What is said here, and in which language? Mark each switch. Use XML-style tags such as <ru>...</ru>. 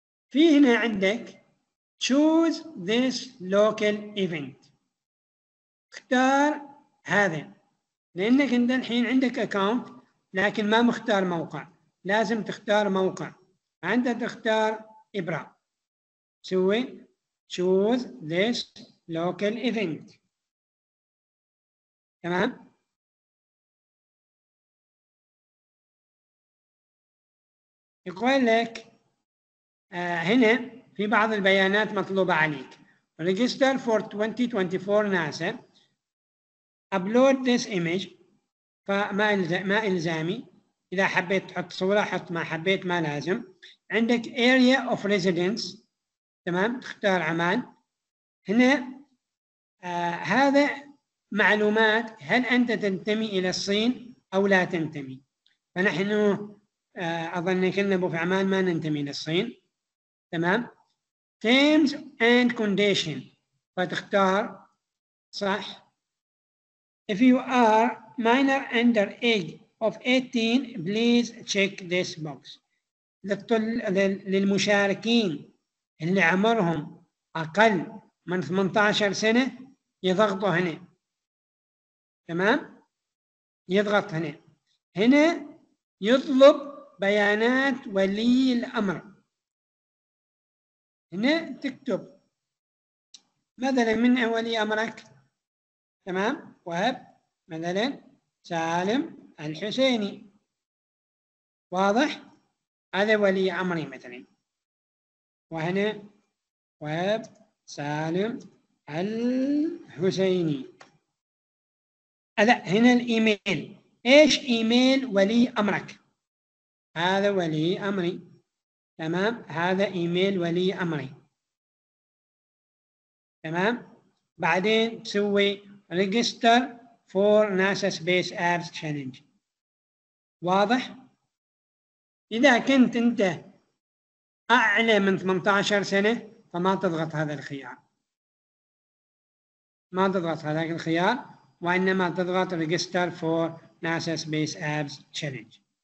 <ar>في هنا عندك</ar> <en>choose this local event.</en> <ar>اختار هذا لأنك أنت الحين عندك أكاونت لكن ما مختار موقع. لازم تختار موقع. أنت تختار إبرة. سوي</ar> <en>choose this local event.</en> <ar>تمام. يقول لك هنا في بعض البيانات مطلوبة عليك.</ar> <en>register for 2024 NASA. upload this image.</en> <ar>فما إلزامي. إذا حبيت تحط صورة حط، ما حبيت ما لازم. عندك</ar> <en>area of residence.</en> <ar>تمام. تختار عمان. هنا هذا معلومات هل أنت تنتمي إلى الصين أو لا تنتمي. فنحن أظن كلنا في عمان ما ننتمي للصين. تمام.</ar> <en>terms and condition.</en> <ar>فتختار صح.</ar> <en>if you are minor under age of 18 please check this box.</en> <ar>للمشاركين اللي عمرهم اقل من 18 سنه يضغطوا هنا. تمام. يضغط هنا. هنا يطلب بيانات ولي الامر. هنا تكتب مثلا من ولي امرك. تمام. وهب مثلا سالم الحسيني. واضح. هذا ولي امري مثلا. وهنا وهب سالم الحسيني. هذا هنا الايميل. ايش ايميل ولي امرك؟ هذا ولي امري. تمام. هذا ايميل ولي امري. تمام. بعدين تسوي</ar> <en>register for NASA Space Apps Challenge.</en> <ar>واضح. إذا كنت أنت أعلى من 18 سنة فما تضغط هذا الخيار. ما تضغط هذا الخيار وإنما تضغط</ar> <en>register for NASA Space Apps Challenge.</en>